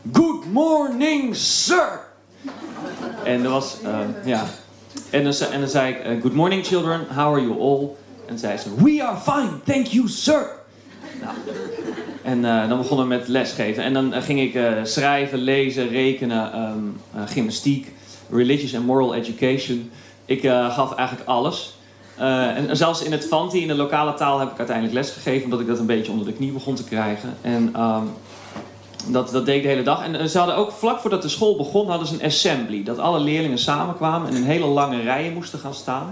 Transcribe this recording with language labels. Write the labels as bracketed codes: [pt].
[en] Good morning, sir! [nl] En er was... En dan zei ik... [en] Good morning, children. How are you all? [nl] En zei ze... [en] We are fine. Thank you, sir! [nl] Dan begonnen we met lesgeven. En dan ging ik schrijven, lezen, rekenen... [en] gymnastiek, religious and moral education. [nl] Ik gaf eigenlijk alles. En zelfs in het Fanti, in de lokale taal... heb ik uiteindelijk lesgegeven... omdat ik dat een beetje onder de knie begon te krijgen. En... Dat deed ik de hele dag. En ze hadden ook vlak voordat de school begon, hadden ze een assembly. Dat alle leerlingen samenkwamen en in hele lange rijen moesten gaan staan.